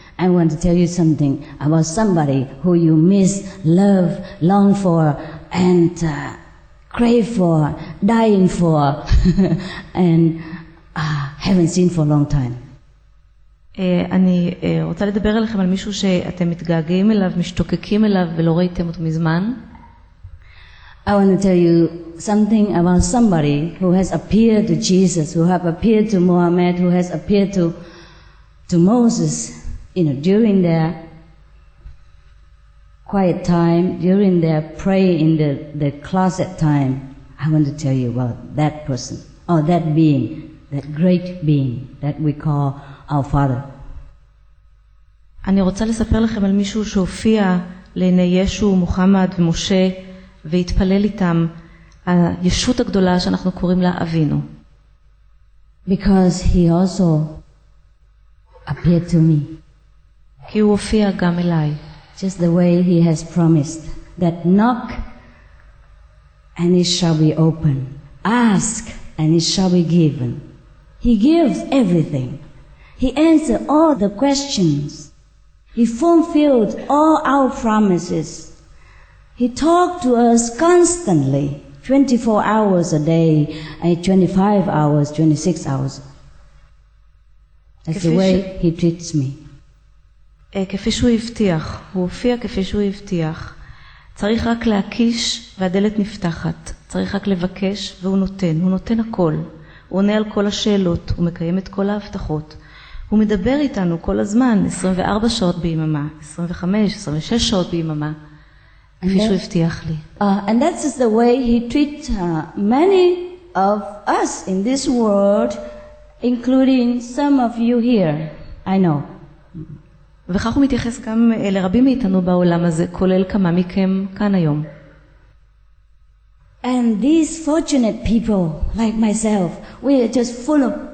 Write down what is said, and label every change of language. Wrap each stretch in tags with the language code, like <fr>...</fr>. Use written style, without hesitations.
<en>I want to tell you something about somebody who you miss, love, long for, and crave for, dying for, and haven't seen for a long time.</en> <he>אני רוצה לדבר אליכם על מישהו שאתם מתגעגעים אליו, משתוקקים אליו ולא ראיתם אותו מזמן.</he> <en>I want to tell you something about somebody who has appeared to Jesus, who have appeared to Muhammad, who has appeared to Moses, you know, during their quiet time, during their prayer in the closet time. I want to tell you about that person, or that being, that great being that we call our father.</en> <he>אני רוצה לספר לכם על מישהו שהופיע לעיני ישו, מוחמד ומשה והתפלל איתם, הישות הגדולה שאנחנו קוראים לה אבינו.</he> <en>Because he also appeared to me.</en> <he>כי הוא הופיע גם אליי.</he> <en>Just the way he has promised that knock and it shall be open. Ask and it shall be given. He gives everything. He answers all the questions. He fulfills all our promises. He talks to us constantly, 24 hours a day, 25 hours, 26 hours. That's the way he treats me.</en> <he>כפי שהוא הבטיח, הוא הופיע כפי שהוא הבטיח. צריך רק להקיש והדלת נפתחת. צריך רק לבקש והוא נותן. הוא נותן הכל. הוא עונה על כל השאלות, הוא מקיים את כל ההבטחות. הוא מדבר איתנו כל הזמן, 24 שעות ביממה, 25, 26 שעות ביממה, כפי שהוא הבטיח לי.</he> <en>And that's just the way he treats many of us in this world, including some of you here, I know.</en> <he>וכך הוא מתייחס גם לרבים מאיתנו בעולם הזה, כולל כמה מכם כאן היום.</he> <en>And these fortunate people, like myself, we are just full of...</en>